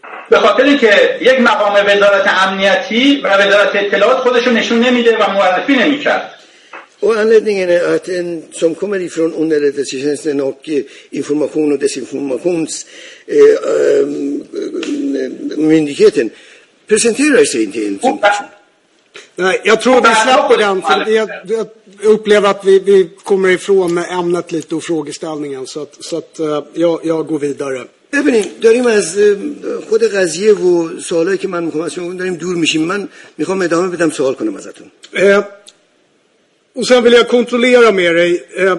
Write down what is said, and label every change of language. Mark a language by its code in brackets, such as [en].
[fa] به خاطر این که یک مقام وزارت امنیتی و وزارت اطلاعات خودشو نشون نمیده و معرفی نمیکرد. [sv] و anledningen är att en som kommer ifrån underrättelsetjänsten och information och desinformations myndigheten presenterar sig inte en sån person. Nej, jag tror vi släpper den för jag upplever att vi kommer ifrån med ämnet lite och frågeställningen så att jag går vidare. [fa] ببینید داریم از خود قضیه و سوالایی که من میخوام از شما داریم دور میشیم. من میخوام ادامه بدم سوال کنم ازتون. [sv] Och sen vill jag kontrollera med dig.